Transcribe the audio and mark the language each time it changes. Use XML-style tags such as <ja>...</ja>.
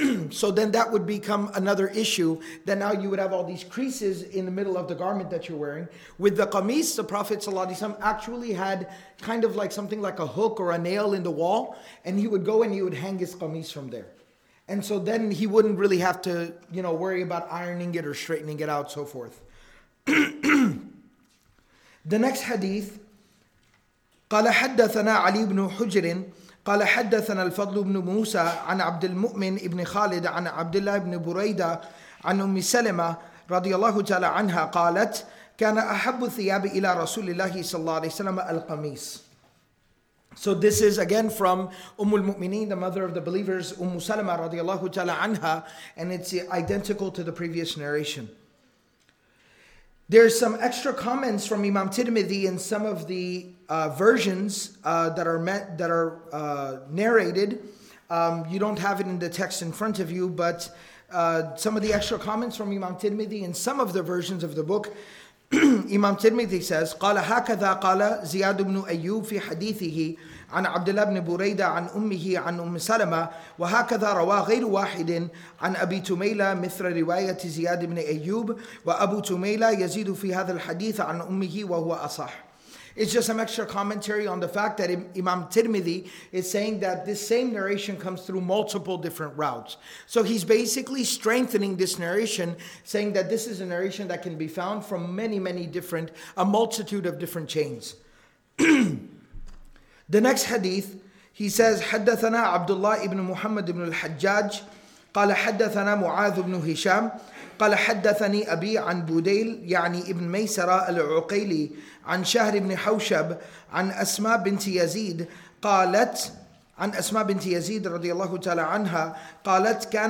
<en>So then that would become another issue, that now you would have all these creases in the middle of the garment that you're wearing. With the qamis, the Prophet ﷺ actually had kind of like something like a hook or a nail in the wall, and he would go and he would hang his qamis from there. And so then he wouldn't really have to, you know, worry about ironing it or straightening it out, so forth. The next hadith,</en> <ar>قَالَ حَدَّثَنَا عَلِي بْنُ حُجْرٍ قال حدثنا الفضل بن موسى عن عبد المؤمن بن خالد عن عبد الله بن بريدة عن أم سلمة رضي الله تعالى عنها قالت كان أحب الثياب إلى رسول الله صلى الله عليه وسلم القميص.</ar> <en>So this is again from Umm al-Mu'mineen, the mother of the believers, Umm Salama</en> <ar>رضي الله تعالى عنها,</ar> <en>and it's identical to the previous narration. There's some extra comments from Imam Tirmidhi in some of the versions that are narrated. You don't have it in the text in front of you, but some of the extra comments from Imam Tirmidhi in some of the versions of the book, Imam Tirmidhi says,</en> <ar>قال هكذا قال زياد بن أيوب في حديثه عن عبد الله بن بريدة عن أمه عن أم سلمة وهكذا روى غير واحد عن أبي تميلة مثل رواية زياد بن أيوب وأبو تميلة يزيد في هذا الحديث عن أمه وهو أصح.</ar> <en>It's just some extra commentary on the fact that Imam Tirmidhi is saying that this same narration comes through multiple different routes. So he's basically strengthening this narration, saying that this is a narration that can be found from many, many different, a multitude of different chains. The next hadith, he says,</en> <ar>حدثنا عبد الله ابن محمد ابن الحجاج قال حدثنا معاذ بن هشام قال حدثني أبي عن بوديل يعني ابن ميسرة العقيلي عن شهر بن حوشب عن أسماء بنت يزيد قالت عن أسماء بنت يزيد رضي الله تعالى عنها قالت</ar>